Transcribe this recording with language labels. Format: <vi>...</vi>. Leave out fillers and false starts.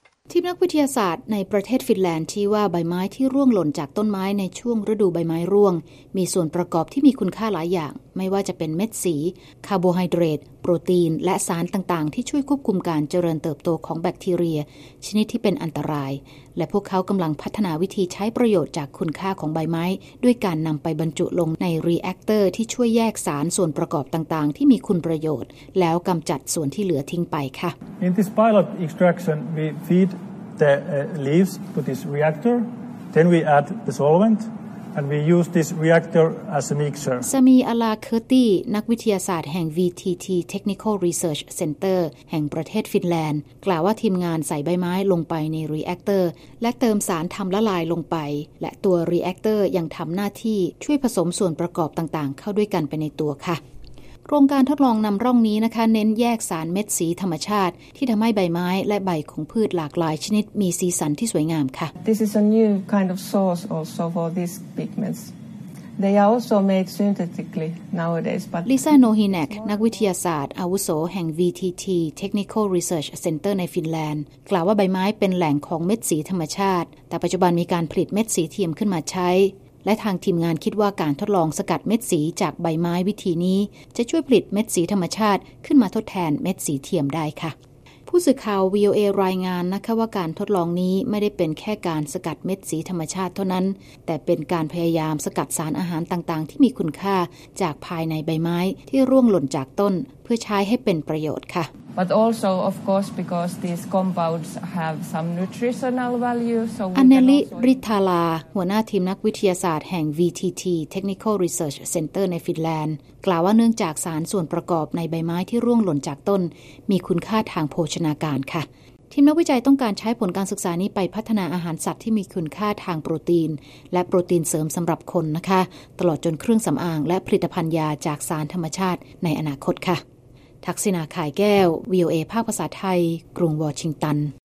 <th>ทีมนักวิทยาศาสตร์ในประเทศฟินแลนด์ที่ว่าใบไม้ที่ร่วงหล่นจากต้นไม้ในช่วงฤดูใบไม้ร่วงมีส่วนประกอบที่มีคุณค่าหลายอย่างไม่ว่าจะเป็นเม็ดสีคาร์โบไฮเดรตโปรตีนและสารต่างๆที่ช่วยควบคุมการเจริญเติบโตของแบคทีเรียชนิดที่เป็นอันตรายและพวกเขากำลังพัฒนาวิธีใช้ประโยชน์จากคุณค่าของใบไม้ด้วยการนำไปบรรจุลงในรีแอคเตอร์ที่ช่วยแยกสารส่วนประกอบต่างๆที่มีคุณประโยชน์แล้วกำจัดส่วนที่เหลือทิ้งไปค่ะ</th> <en>In this pilot extraction we feed the leaves to this reactor then we add the solventAnd we use this reactor as a mixer.</en> <th>Sami Ala Kerti, นักวิทยาศาสตร์แห่ง VTT Technical Research Center แห่งประเทศฟินแลนด์กล่าวว่าทีมงานใส่ใบไม้ลงไปในรีแอคเตอร์และเติมสารทำละลายลงไปและตัวรีแอคเตอร์ยังทำหน้าที่ช่วยผสมส่วนประกอบต่างๆเข้าด้วยกันไปในตัวค่ะโครงการทดลองนำร่องนี้นะคะเน้นแยกสารเม็ดสีธรรมชาติที่ทำให้ใบไม้และใบของพืชหลากหลายชนิดมีสีสันที่สวยงามค่ะ</th> <en>This is a new kind of source also for these pigments. They are also made synthetically nowadays. But</en> <th>Lisa Nohinek, นักวิทยาศาสตร์อาวุโสแห่ง VTT Technical Research Center ในฟินแลนด์กล่าวว่าใบไม้เป็นแหล่งของเม็ดสีธรรมชาติแต่ปัจจุบันมีการผลิตเม็ดสีเทียมขึ้นมาใช้และทางทีมงานคิดว่าการทดลองสกัดเม็ดสีจากใบไม้วิธีนี้จะช่วยผลิตเม็ดสีธรรมชาติขึ้นมาทดแทนเม็ดสีเทียมได้ค่ะ ผู้สื่อข่าว VOA รายงานนะคะว่าการทดลองนี้ไม่ได้เป็นแค่การสกัดเม็ดสีธรรมชาติเท่านั้นแต่เป็นการพยายามสกัดสารอาหารต่างๆที่มีคุณค่าจากภายในใบไม้ที่ร่วงหล่นจากต้นเพื่อใช้ให้เป็นประโยชน์ค่ะ</th> <en>But also of course because these compounds have some nutritional value so</en> <th>อันเนลิริทาลาหัวหน้าทีมนักวิทยาศาสตร์แห่ง VTT Technical Research Center ในฟินแลนด์กล่าวว่าเนื่องจากสารส่วนประกอบในใบไม้ที่ร่วงหล่นจากต้นมีคุณค่าทางโภชนาการค่ะทีมนักวิจัยต้องการใช้ผลการศึกษานี้ไปพัฒนาอาหารสัตว์ที่มีคุณค่าทางโปรตีนและโปรตีนเสริมสำหรับคนนะคะตลอดจนเครื่องสำอางและผลิตภัณฑ์ยาจากสารธรรมชาติในอนาคตค่ะทักษิณาขายแก้ว VOA ภาคภาษาไทยกรุงวอชิงตัน</th>